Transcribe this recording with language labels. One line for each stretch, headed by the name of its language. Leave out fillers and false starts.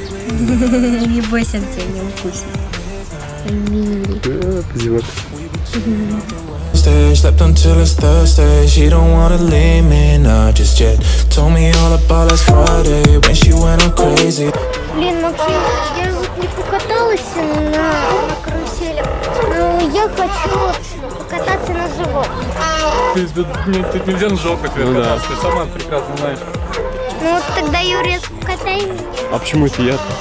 Russian: Не бойся, он тебя не укусит. Милый. Зевак.
English: Slept until it's Thursday. She don't wanna leave me, not just yet. Told me all about last Friday when she went on crazy.
Russian: Блин, Максим, я вот не покаталась на карусели, но я хочу покататься на животных. Ты тут нельзя на животных кататься, ты сама прекрасно знаешь. Ну вот тогда Юрия покатай меня. А почему это я?